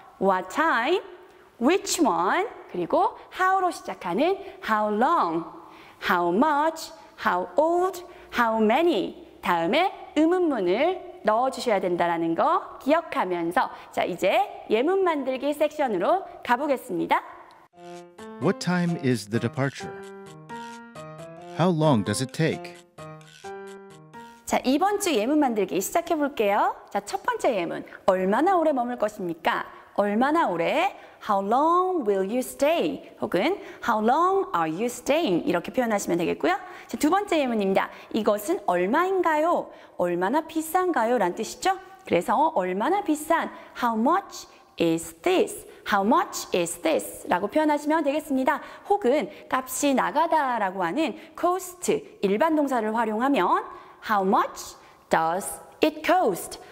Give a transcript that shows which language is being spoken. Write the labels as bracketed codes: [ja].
[en] What time, which one, [ko] 그리고 how로 시작하는 [en] how long, how much, how old, how many, [ko] 다음에 음음문을 넣어주셔야 된다는 거 기억하면서 자 이제 예문 만들기 섹션으로 가보겠습니다. [en] What time is the departure? How long does it take? [ko] 자, 이번 주 예문 만들기 시작해 볼게요. 자, 첫 번째 예문, 얼마나 오래 머물 것입니까? 얼마나 오래? [en] How long will you stay? 혹은 How long are you staying? [ko] 이렇게 표현하시면 되겠고요. 자, 두 번째 예문입니다. 이것은 얼마인가요? 얼마나 비싼가요? 라는 뜻이죠. 그래서 얼마나 비싼? [en] How much is this? How much is this? [ko] 라고 표현하시면 되겠습니다. 혹은 값이 나가다 라고 하는 cost, 일반 동사를 활용하면 [en] How much does it cost?